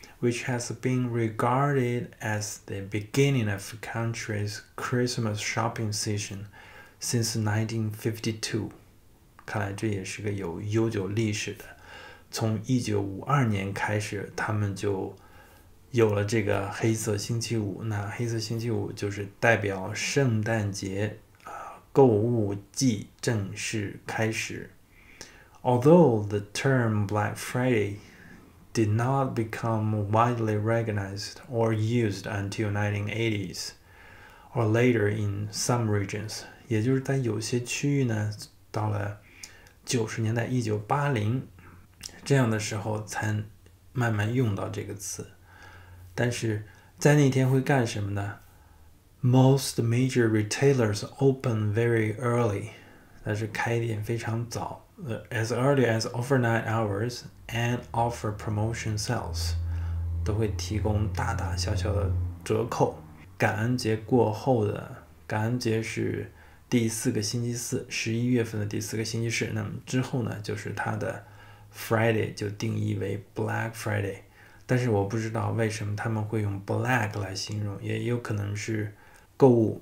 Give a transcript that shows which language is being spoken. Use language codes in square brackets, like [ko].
[en] Which has been regarded as the beginning of country's Christmas shopping season since 1952。 [zh] 看来这也是个有悠久历史的，从1952年开始，他们就有了这个黑色星期五。那黑色星期五就是代表圣诞节啊，购物季正式开始。 [en] Although the term Black Friday did not become widely recognized or used until 1980s or later in some regions。 [zh] 也就是在有些区域呢，到了90年代，1980这样的时候才慢慢用到这个词。但是在那天会干什么呢？ [en] Most major retailers open very early， [zh] 但是开店非常早。 [en] As early as overnight hours and offer promotion sales， [zh] 都会提供大大小小的折扣。感恩节过后的，感恩节是第四个星期四，11月份的第四个星期四。那么之后呢，就是它的 Friday 就定义为 Black Friday。但是我不知道为什么他们会用 Black 来形容，也有可能是购物。